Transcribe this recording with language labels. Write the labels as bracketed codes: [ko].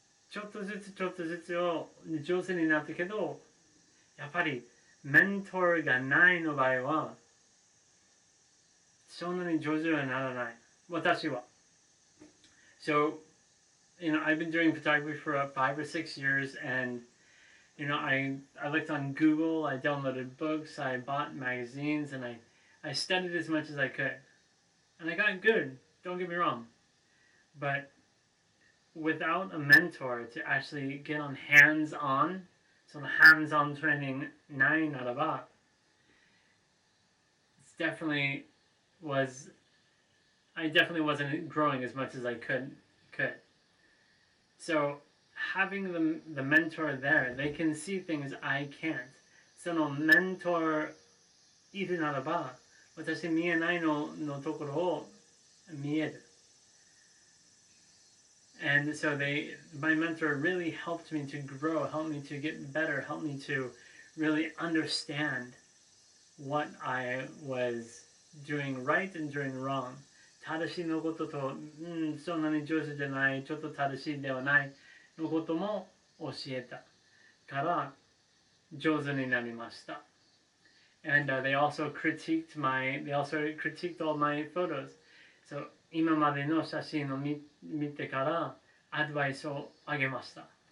[ja] ちょっとずつちょっとずつを上手になったけど、やっぱりメンターがないの場合は、そんなに上手にならない。私は。 [en] So, you know, I've been doing photography for 5 or 6 years, and, you know, I looked on Google, I downloaded books, I bought magazines, and I studied as much as I could. And I got good, don't get me wrong. But without a mentor to actually get on hands-on, some hands-on training, [ja] ないならば, [en] I definitely wasn't growing as much as I could. So having the mentor there, they can see things I can't. [ja] そのメンターいるならば、私見えないのところを見える。 [en] And so my mentor really helped me to grow, helped me to get better, helped me to really understand what I was doing right and doing wrong. [ja] 正しいのことと、そんなに上手じゃない、ちょっと正しいではないのことも教えたから上手になりました。 [en] And they also critiqued all my photos. [ja] So, 今までの写真を見てからアドバイスをあげました。